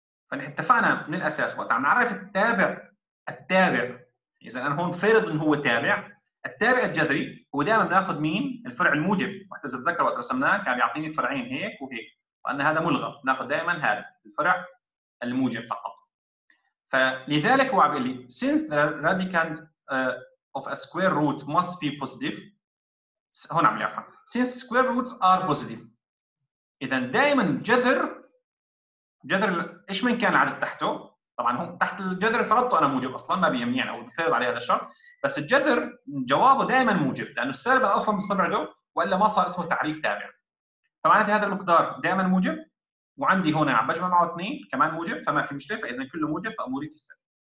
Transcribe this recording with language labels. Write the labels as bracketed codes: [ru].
[ar] فنحن اتفقنا من الاساس وقت عم نعرف التابع، التابع اذا انا هون فرض انه هو تابع، التابع الجذري هو دائما بناخذ مين؟ الفرع الموجب، وحتى اذا بتذكر وقت رسمناه كان بيعطيني فرعين هيك وهيك، فان هذا ملغى، بناخذ دائما هذا الفرع الموجب فقط. فلذلك هو عم بيقول لي [en] since the radicand of a square root must be positive, [ar] هون عم يعرفها [en] since square roots are positive. [ar] اذا دائما جذر, جذر ايش من كان العدد تحته, طبعا هو تحت الجذر فرضته انا موجب اصلا ما بيمنعني او بفرض عليه هذا الشرط, بس الجذر جوابه دائما موجب لانه السالب اصلا مستبعده والا ما صار اسمه تعريف تابع. فمعناته هذا المقدار دائما موجب, وعندي هنا عم بجمع معه 2 كمان موجب فما في مشكله, فاذا كله موجب فاموري في السالب.